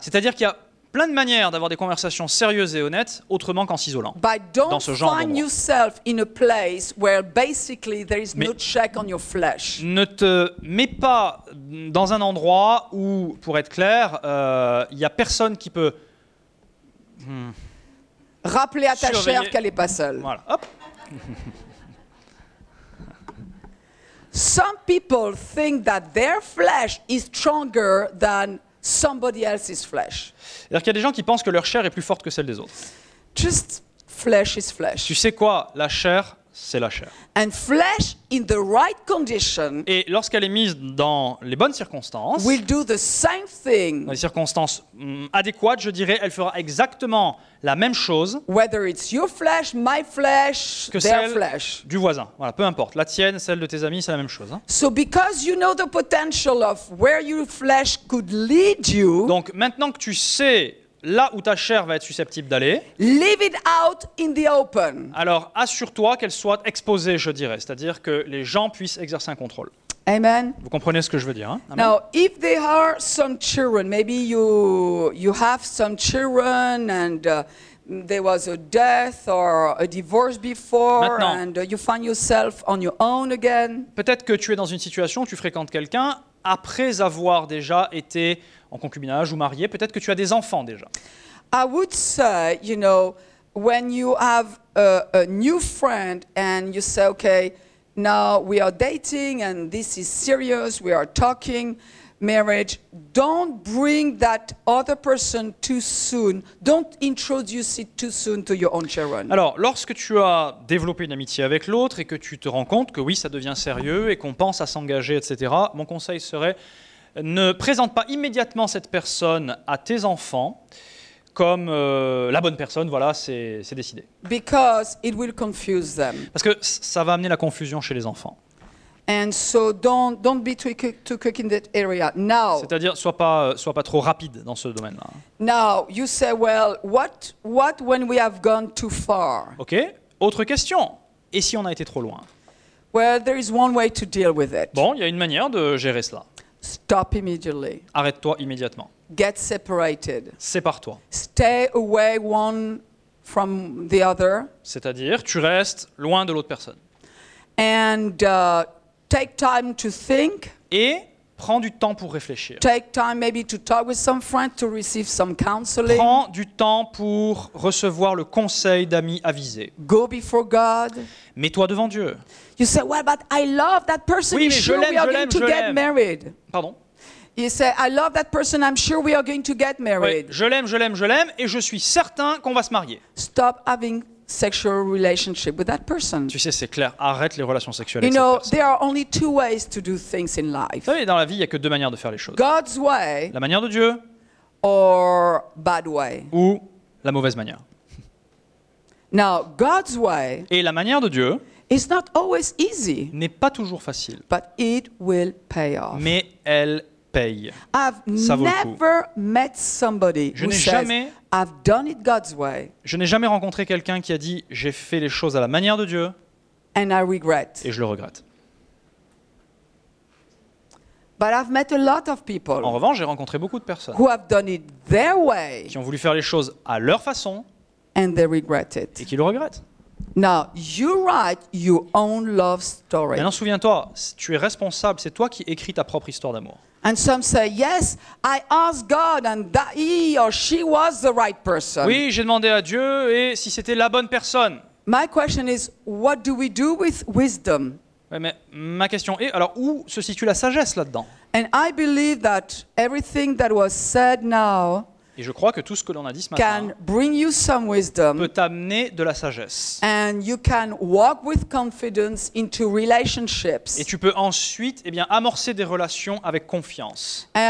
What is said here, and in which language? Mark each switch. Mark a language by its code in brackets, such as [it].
[fr] C'est-à-dire qu'il y a plein de manières d'avoir des conversations sérieuses et honnêtes, autrement qu'en s'isolant. [en] But don't [fr] dans ce genre [en] find yourself in a place where basically there is no check on your flesh. [fr] Ne te mets pas dans un endroit où, pour être clair, il y a personne qui peut Rappeler à ta chair qu'elle n'est pas seule. Voilà, hop. [en] Some people think that their flesh is stronger than somebody else's flesh. [fr] C'est-à-dire qu'il y a des gens qui pensent que leur chair est plus forte que celle des autres. [en] Just flesh is flesh. [fr] Tu sais quoi ? La chair, c'est la chair. [en] And flesh in the right condition. [fr] Et lorsqu'elle est mise dans les bonnes circonstances. [en] Will do the same thing. [fr] Dans les circonstances adéquates, je dirais, elle fera exactement la même chose. [en] Whether it's your flesh, my flesh, [fr] que [en] their [fr] celle [en] flesh. [fr] Du voisin. Voilà, peu importe. La tienne, celle de tes amis, c'est la même chose. Hein. [en] So because you know the potential of where your flesh could lead you. [fr] Donc maintenant que tu sais là où ta chair va être susceptible d'aller. [en] Leave it out in the open. [fr] Alors, assure-toi qu'elle soit exposée, je dirais. C'est-à-dire que les gens puissent exercer un contrôle. Amen. Vous comprenez ce que je veux dire, hein? Amen. [en] Now, if there are some children, maybe you have some children and there was a death or a divorce before. [fr] Maintenant, [en] and you find yourself on your own again. [fr] Peut-être que tu es dans une situation où tu fréquentes quelqu'un après avoir déjà été en concubinage ou marié, peut-être que tu as des enfants déjà. [en] I would say, you know, when you have a new friend and you say, okay, now we are dating and this is serious, we are talking marriage, don't bring that other person too soon, don't introduce it too soon to your own children. [fr] Alors, lorsque tu as développé une amitié avec l'autre et que tu te rends compte que oui, ça devient sérieux et qu'on pense à s'engager, etc., mon conseil serait, ne présente pas immédiatement cette personne à tes enfants comme la bonne personne, voilà, c'est décidé. [en] Because it will confuse them. [fr] Parce que ça va amener la confusion chez les enfants. [en] And so don't be too quick in that area. Now. [fr] C'est-à-dire sois pas trop rapide dans ce domaine-là. [en] Now, you say well, what when we have gone too far? [fr] OK, autre question. Et si on a été trop loin? [en] Well, there is one way to deal with it. [fr] Bon, il y a une manière de gérer cela. [en] Stop immediately. [fr] Arrête-toi immédiatement. [en] Get separated. [fr] Sépare-toi. [en] Stay away one from the other. [fr] C'est-à-dire, tu restes loin de l'autre personne. [en] And take time to think. [fr] Et prends du temps pour réfléchir. [en] Take time maybe to talk with some friend to receive some counseling. [fr] Prends du temps pour recevoir le conseil d'amis avisés. [en] Go before God. [fr] Mets-toi devant Dieu. [en] You say, well, but I love that person. [fr] Oui, mais [en] sure, [fr] je l'aime. Pardon. [en] You say, I love that person. I'm sure we are going to get married. [fr] Oui, je l'aime, et je suis certain qu'on va se marier. [en] Stop having sexual relationship with that person. [fr] Tu sais, c'est clair. Arrête les relations sexuelles. [en] You [fr] avec [en] know, [fr] cette personne. [en] There are only two ways to do things in life. [fr] Vous savez, dans la vie, il y a que deux manières de faire les choses. [en] God's way. [fr] La manière de Dieu. [en] Or bad way. [fr] Ou la mauvaise manière. [en] Now, God's way. [fr] Et la manière de Dieu. [en] It's not always easy. [fr] N'est pas toujours facile. [en] But it will pay off. [fr] Mais elle paye. [en] I've never met somebody [fr] je [en] who [fr] n'ai [en] says, [fr] jamais, [en] I've done it God's way. [fr] Je n'ai jamais rencontré quelqu'un qui a dit j'ai fait les choses à la manière de Dieu. [en] And I regret. [fr] Et je le regrette. [en] But I've met a lot of people. [fr] En revanche, j'ai rencontré beaucoup de personnes [en] who have done it their way. [fr] Qui ont voulu faire les choses à leur façon. [en] And they regret it. [fr] Et qui le regrettent. [en] Now, you write your own love story. [fr] Maintenant, souviens-toi, tu es responsable, c'est toi qui écris ta propre histoire d'amour. [en] And some say, yes, I asked God and that he or she was the right person. [fr] Oui, j'ai demandé à Dieu et si c'était la bonne personne. [en] My question is, what do we do with wisdom? [fr] Oui, mais ma question est, alors où se situe la sagesse là-dedans? [en] And I believe that everything that was said now. [fr] Et je crois que tout ce que l'on a dit ce matin [en] can bring you some wisdom, [fr] peut t'amener de la sagesse. [en] And you can walk with confidence into relationships. [fr] Et tu peux ensuite eh bien, amorcer des relations avec confiance.